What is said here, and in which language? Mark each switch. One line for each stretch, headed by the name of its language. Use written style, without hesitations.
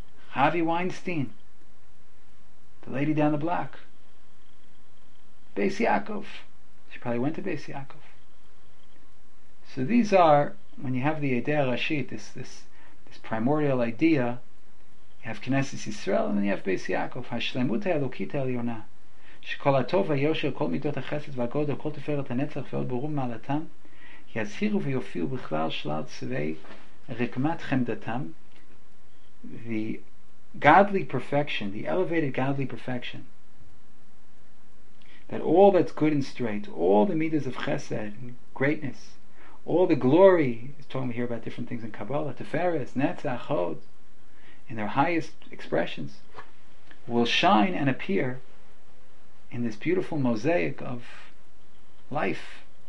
English: Harvey Weinstein, the lady down the block. Beis Yaakov. She probably went to Beis Yaakov. So these are, when you have the Eidei Rashit, this primordial idea, you have Knesset Yisrael, and then you have Beis Yaakov.
Hebrew: Hashlemut ha'elokit ha'elyona. שכל הטוב והיושר, כל מידות החסד והגודל, כל תפארת הנצח ועוד ברור מעלתם, יזהירו ויופיעו בכלל שלל צבי רקמת חמדתם.
English: The godly perfection, the elevated godly perfection, that all that's good and straight, all the midas of chesed, greatness, all the glory, he's talking here about different things in Kabbalah, teferes, netzach, hod, in their highest expressions, will shine and appear in this beautiful mosaic of life.